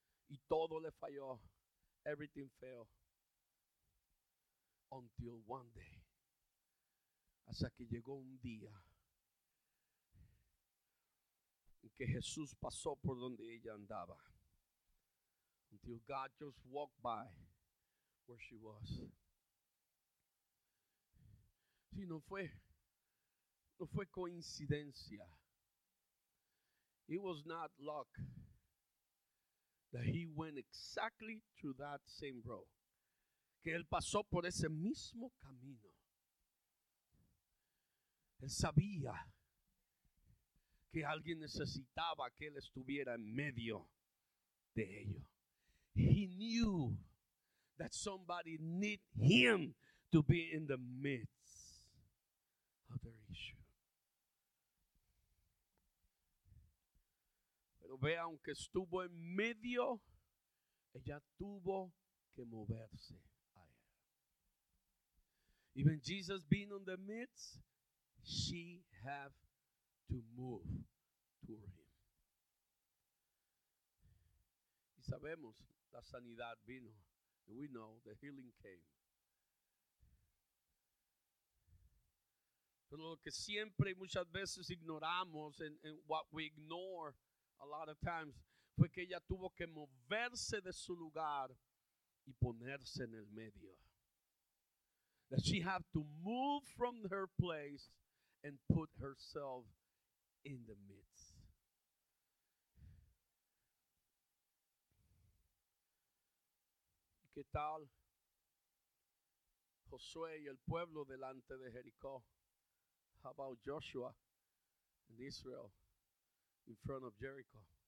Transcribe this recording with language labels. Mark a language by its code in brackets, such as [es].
[es] Y todo le falló. [en] Everything failed. Until one day. [es] Hasta que llegó un día. En que Jesús pasó por donde ella andaba. [en] Until God just walked by where she was. [es] Sí, no fue coincidencia. [en] It was not luck that he went exactly to that same road. [es] Que él pasó por ese mismo camino. Él sabía que alguien necesitaba que él estuviera en medio de ello. [en] He knew that somebody need him to be in the midst of their issue. [es] Pero vea, aunque estuvo en medio, ella tuvo que moverse a él. [en] Even Jesus being in the midst, she had to move toward him. [es] Y sabemos, la sanidad vino. [en] We know the healing came. [es] Pero lo que siempre muchas veces ignoramos, [en] and what we ignore a lot of times, [es] fue que ella tuvo que moverse de su lugar y ponerse en el medio. [en] That she had to move from her place and put herself in the midst. [es] ¿Qué tal Josué y el pueblo delante de Jericó? [en] How about Joshua and Israel in front of Jericho?